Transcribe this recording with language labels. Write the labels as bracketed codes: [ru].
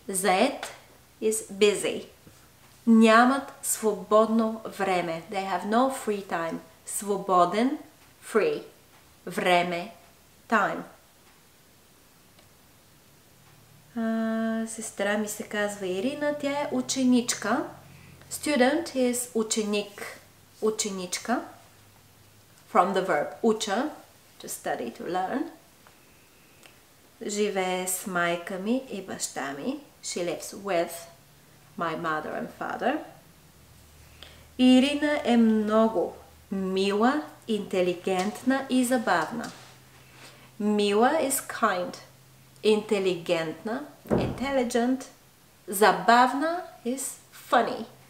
[bg] Зает [en] is busy. [bg] Нямат свободно време. [en] They have no free time. [bg] Свободен, [en] free. [bg] Време, time. Сестра ми се казва Ирина, тя е ученичка. [en] Student is [bg] ученик, ученичка. [en] From the verb уча, to study, to learn. [bg] Живее с майка ми и баща ми. [en] She lives with my mother and father. [bg] Ирина е много мила, интелигентна и забавна. [en] Мила is kind. Интелигентна, intelligent, забавна is funny.